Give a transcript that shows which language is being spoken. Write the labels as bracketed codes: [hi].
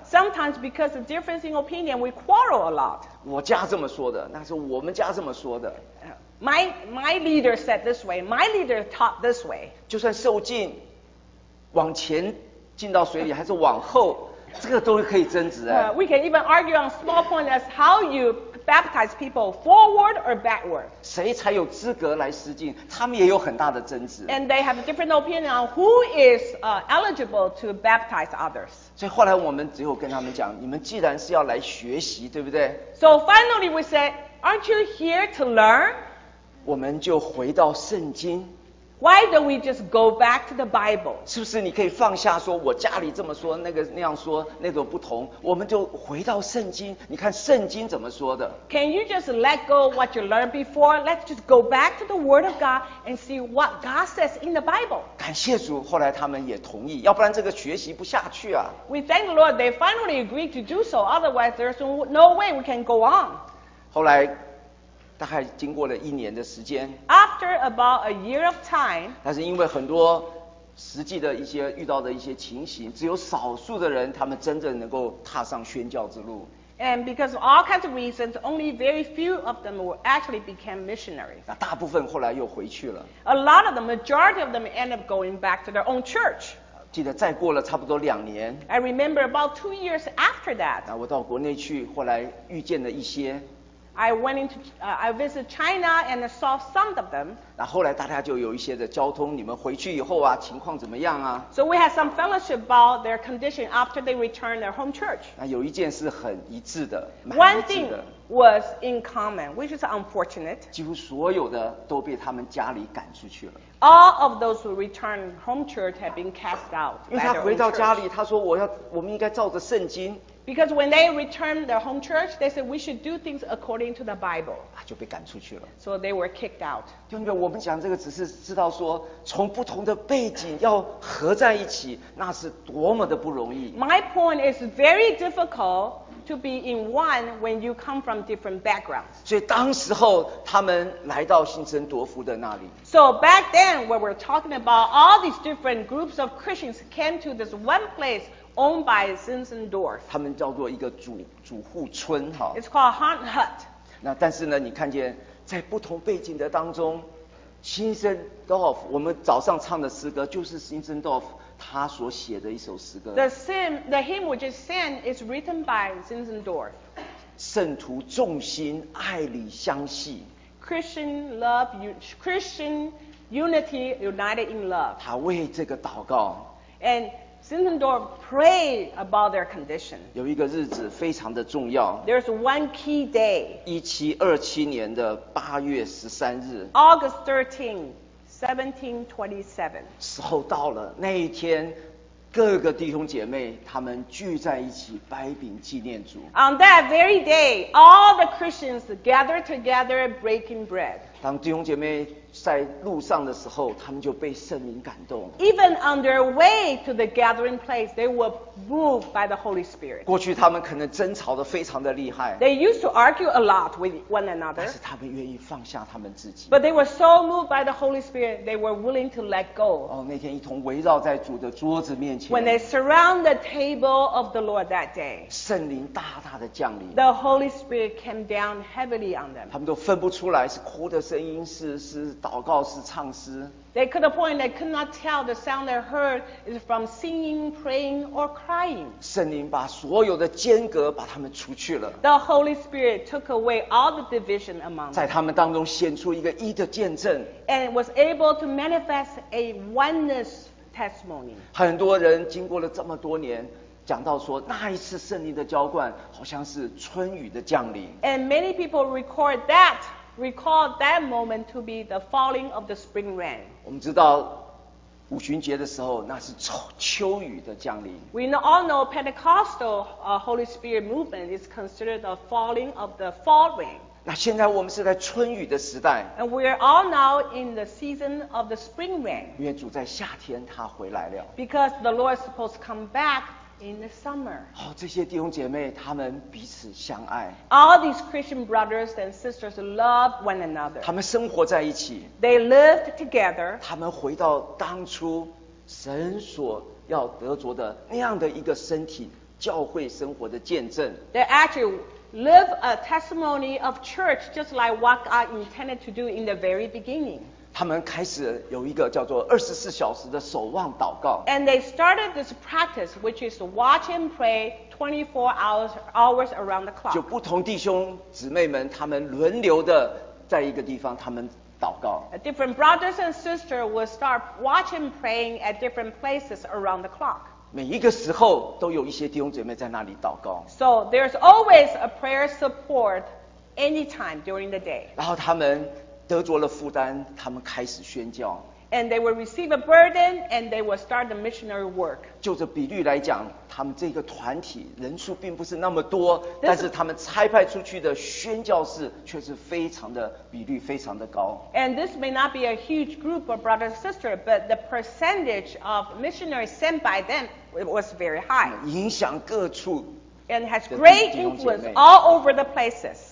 [en] Sometimes because of difference in opinion, we quarrel a lot. [zh] 我家这么说的，那是我们家这么说的。 [en] My leader said this way. My leader taught this way. [zh] 就算受浸，往前进到水里还是往后，这个都可以争执哎。 [en] We can even argue on small points as how you. Baptize people forward or backward. [zh] 谁才有资格来施浸？他们也有很大的争执。 [en] And they have a different opinion on who is eligible to baptize others. [zh] 所以后来我们只有跟他们讲，你们既然是要来学习，对不对？ [en] So finally we said, aren't you here to learn? [zh] 我们就回到圣经。 [en] Why don't we just go back to the Bible? [zh] 是不是你可以放下说我家里这么说那个那样说那个不同，我们就回到圣经，你看圣经怎么说的。 [en] Can you just let go what you learned before? Let's just go back to the Word of God and see what God says in the Bible. [zh] 感谢主，后来他们也同意，要不然这个学习不下去啊。 [en] We thank the Lord they finally agreed to do so. Otherwise there's no way we can go on. [zh] 后来大概经过了一年的时间。 [en] After about a year of time. [zh] 但是因为很多实际的一些遇到的一些情形，只有少数的人他们真正能够踏上宣教之路。 [en] And because of all kinds of reasons, only very few of them were actually became missionaries. [zh] 那大部分后来又回去了。 [en] A lot of the majority of them end up going back to their own church. [zh] 记得再过了差不多两年。 [en] I remember about 2 years after that. [zh] 那我到国内去，后来遇见了一些。 [en] I went into, I visited China and saw some of them. [zh] 那后来大家就有一些的交通，你们回去以后啊，情况怎么样啊？ [en] So we had some fellowship about their condition after they returned their home church. [zh] 那有一件是很一致的， [en] One thing was in common, which is unfortunate. [zh] 几乎所有的都被他们家里赶出去了。 [en] All of those who returned home church had been cast out. [zh] 因为他回到家里，他说我们应该照着圣经。 [en] Because when they returned their home church, they said we should do things according to the Bible. [zh] 啊，就被赶出去了。 [en] So they were kicked out. [zh] 就那个我们讲这个，只是知道说，从不同的背景要合在一起，那是多么的不容易。 [en] My point is very difficult to be in one when you come from different backgrounds. [zh] 所以当时候他们来到新生多福的那里。 [en] So back then, when we're talking about all these different groups of Christians came to this one place. Owned by Zinzendorf. [zh] 他们叫做一个主户村哈。 [en] It's called Hunt Hut. [zh] 那但是呢，你看见在不同背景的当中，新生 Dorf， 我们早上唱的诗歌就是新生 Dorf 他所写的一首诗歌。 [en] The hymn which is sang is written by Zinzendorf. [zh] 圣徒众心爱理相系。 [en] Christian love, Christian unity, united in love. [zh] 他为这个祷告。 [en] And Zinzendorf prayed about their condition. [zh] 有一个日子非常的重要。 [en] There's one key day. [zh] 1727年的八月十三日。 [en] August 13, 1727. [zh] 时候到了，那一天，各个弟兄姐妹他们聚在一起掰饼纪念主。 [en] On that very day, all the Christians gathered together breaking bread. [zh] 当弟兄姐妹在路上的时候，他们就被圣灵感动。 [en] Even on their way to the gathering place, they were moved by the Holy Spirit. [zh] 过去他们可能争吵得非常的厉害。 [en] They used to argue a lot with one another. [zh] 但是他们愿意放下他们自己。 [en] But they were so moved by the Holy Spirit, they were willing to let go. [zh] 哦，那天一同围绕在主的桌子面前。 [en] When they surround the table of the Lord that day, [zh] 圣灵大大的降临。 [en] The Holy Spirit came down heavily on them. [zh] 他们都分不出来是哭的声音，是。祷告是唱诗。 [en] They could point, they could not tell the sound they heard is from singing, praying, or crying. [zh] 圣灵把所有的间隔把他们除去了。 [en] The Holy Spirit took away all the division among them. [zh] 在他们当中显出一个一的见证。 [en] And was able to manifest a oneness testimony. [zh] 很多人经过了这么多年。讲到说那一次圣灵的浇灌好像是春雨的降临。 [en] And many people record that. Recall that moment to be the falling of the spring rain. [zh] 我们知道五旬节的时候，那是秋雨的降临。 [en] We all know Pentecostal, Holy Spirit movement is considered the falling of the fall rain. [zh] 那现在我们是在春雨的时代。 [en] And we are all now in the season of the spring rain. [zh] 因为主在夏天他回来了。 [en] Because the Lord is supposed to come back. In the summer. [zh] 哦，这些弟兄姐妹他们彼此相爱。 [en] All these Christian brothers and sisters love one another. [zh] 他们生活在一起。 [en] They lived together. [zh] 他们回到当初神所要得着的那样的一个身体，教会生活的见证。 [en] They actually live a testimony of church just like what God intended to do in the very beginning. [zh] 他们开始有一个叫做二十四小时的守望祷告。 [en] And they started this practice, which is to watch and pray 24 hours around the clock. [zh] 就不同弟兄姊妹们，他们轮流的在一个地方，他们祷告。 [en] Different brothers and sisters will start watching praying at different places around the clock. [zh] 每一个时候都有一些弟兄姊妹在那里祷告。 [en] So there's always a prayer support anytime during the day. [zh] 然后他们。得着了负担，他们开始宣教。 [en] And they will receive a burden, and they will start the missionary work. [zh] 就着比率来讲，他们这个团体人数并不是那么多，但是他们差派出去的宣教士却是非常的比率非常的高。 [en] And this may not be a huge group of brothers and sisters, but the percentage of missionaries sent by them was very high. [zh] 影响各处。 [en] And has great influence all over the places.